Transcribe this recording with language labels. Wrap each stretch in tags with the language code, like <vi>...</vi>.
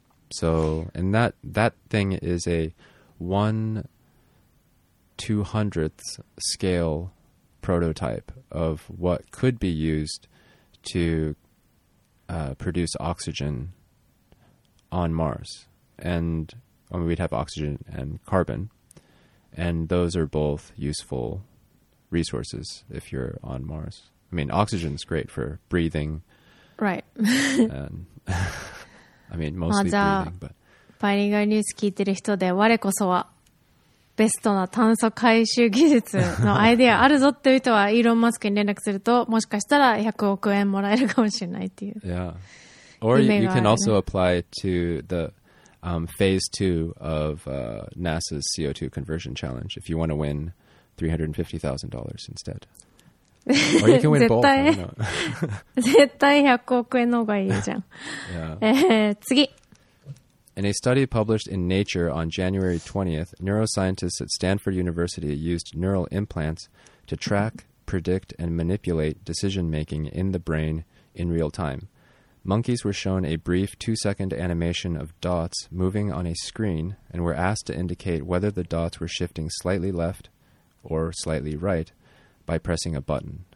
<en>So, and that thing is a 1/200th scale prototype of what could be used to produce oxygen on Mars. And I mean, we'd have oxygen and carbon, and those are both useful resources if you're on Mars. I mean, oxygen is great for breathing. Right. And, I mean, mostly breathing. But</en> <ja>バイリンガルニュース聞いてる人で我こそはベストな炭素回収技術のアイデアあるぞっていう人はイーロン・マスクに連絡するともしかしたら100億円もらえるかもしれないっていう。</ja> <en>Yeah. Or you can also apply to the phase two of NASA's CO2 conversion challenge if you want to win $350,000 instead. Or you can win both.</en> <ja>絶対100億円の方がいいじゃん。次。</ja> <en>In a study published in Nature on January 20th, neuroscientists at Stanford University used neural implants to track, predict, and manipulate decision-making in the brain in real time. Monkeys were shown a brief 2-second animation of dots moving on a screen and were asked to indicate whether the dots were shifting slightly left or slightly right by pressing a button.</en>